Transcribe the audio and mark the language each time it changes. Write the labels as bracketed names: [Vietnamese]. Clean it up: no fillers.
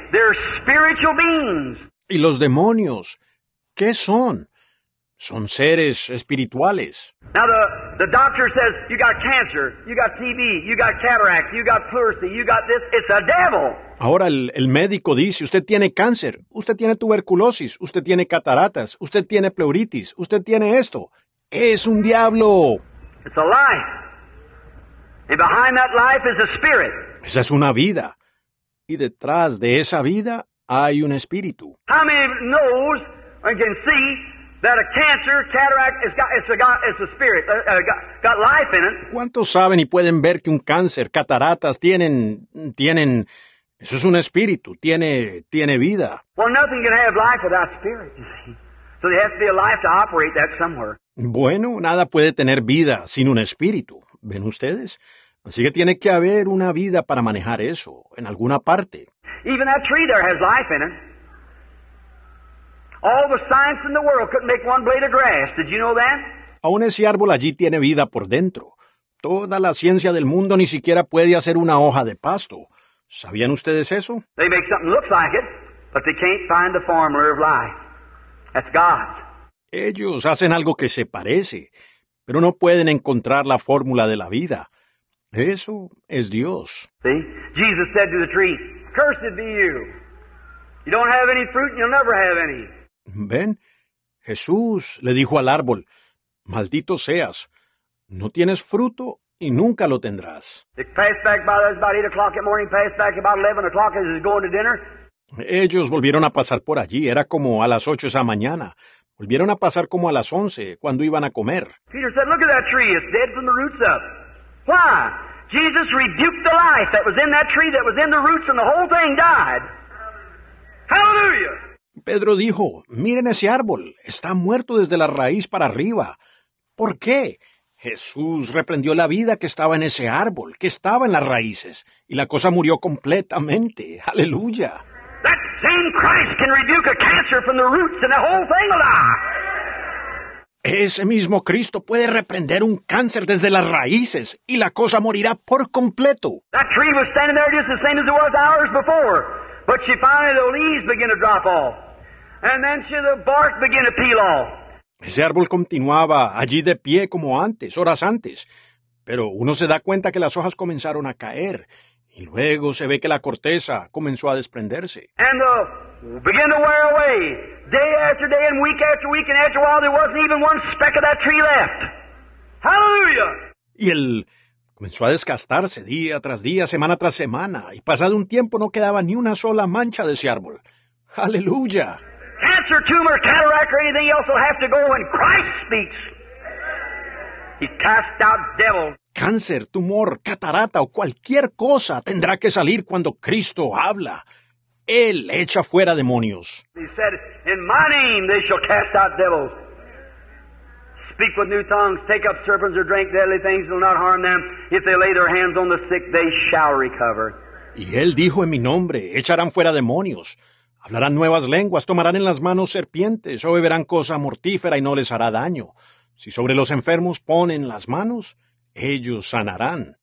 [English] They're spiritual beings. [Spanish] ¿Y los demonios? ¿Qué son? Son seres espirituales. [English] Now the doctor says you got cancer, you got TB, you got cataract, you got pleurisy, you got this. It's a devil. [Spanish] Ahora el médico dice, usted tiene cáncer, usted tiene tuberculosis, usted tiene cataratas, usted tiene pleuritis, usted tiene esto. ¡Es un diablo! [English] It's a lie. And behind that life is a spirit. [Spanish] Esa es una vida. Y detrás de esa vida hay un espíritu. [English] How many knows and can see that a cancer, cataract, it's a spirit, got life in it? [Spanish] ¿Cuántos saben y pueden ver que un cáncer, cataratas, tienen, eso es un espíritu, tiene vida? [English] Well, nothing can have life without spirit, you see. So there has to be a life to operate that somewhere. [Spanish] Bueno, nada puede tener vida sin un espíritu. ¿Ven ustedes? Así que tiene que haber una vida para manejar eso, en alguna parte. [English] Even that tree there has life in it. All the science in the world couldn't make one blade of grass. Did you know that? [Spanish] Aún ese árbol allí tiene vida por dentro. Toda la ciencia del mundo ni siquiera puede hacer una hoja de pasto. ¿Sabían ustedes eso? [English] They make something look like it, but they can't find the formula of life. That's God. [Spanish] Ellos hacen algo que se parece, pero no pueden encontrar la fórmula de la vida. Eso es Dios. [English] See? Jesus said to the tree, cursed be you. You don't have any fruit and you'll never have any. [Spanish] ¿Ven? Jesús le dijo al árbol, maldito seas, no tienes fruto y nunca lo tendrás. [English] It passed back by us about 8 o'clock at morning, passed back about 11 o'clock as he's going to dinner. [Spanish] Ellos volvieron a pasar por allí, era como a las 8 esa mañana. Volvieron a pasar como a las 11, cuando iban a comer. [English] Peter said, look at that tree, it's dead from the roots up. Why? Jesus rebuked the life that was in that tree, that was in the roots, and the whole thing died. Hallelujah! [Spanish] Pedro dijo, miren ese árbol, está muerto desde la raíz para arriba. ¿Por qué? Jesús reprendió la vida que estaba en ese árbol, que estaba en las raíces, y la cosa murió completamente. Aleluya. [English] That same Christ can rebuke a cancer from the roots and the whole thing will die. [Spanish] Ese mismo Cristo puede reprender un cáncer desde las raíces y la cosa morirá por completo. [English] That tree was standing there just the same as it was hours before. But she finally the leaves begin to drop off. And then she the bark begin to peel off. [Spanish] Ese árbol continuaba allí de pie como antes, horas antes. Pero uno se da cuenta que las hojas comenzaron a caer. Y luego se ve que la corteza comenzó a desprenderse. [English] And began to wear away. Day after day and week, and after a while there wasn't even one speck of that tree left. Hallelujah! [Spanish] Y él comenzó a desgastarse día tras día, semana tras semana. Y pasado un tiempo no quedaba ni una sola mancha de ese árbol. Hallelujah! [English] Cancer, tumor, cataract, or anything else will have to go when Christ speaks. He cast out devils. [Spanish] Cáncer, tumor, catarata o cualquier cosa tendrá que salir cuando Cristo habla. Él echa fuera demonios. [English] He said, in my name they shall cast out devils. Speak with new tongues, take up serpents or drink deadly things, it will not harm them. If they lay their hands on the sick, they shall recover. [Spanish] Y él dijo en mi nombre, echarán fuera demonios. Hablarán nuevas lenguas, tomarán en las manos serpientes o beberán cosa mortífera y no les hará daño. Si sobre los enfermos ponen las manos, ellos sanarán.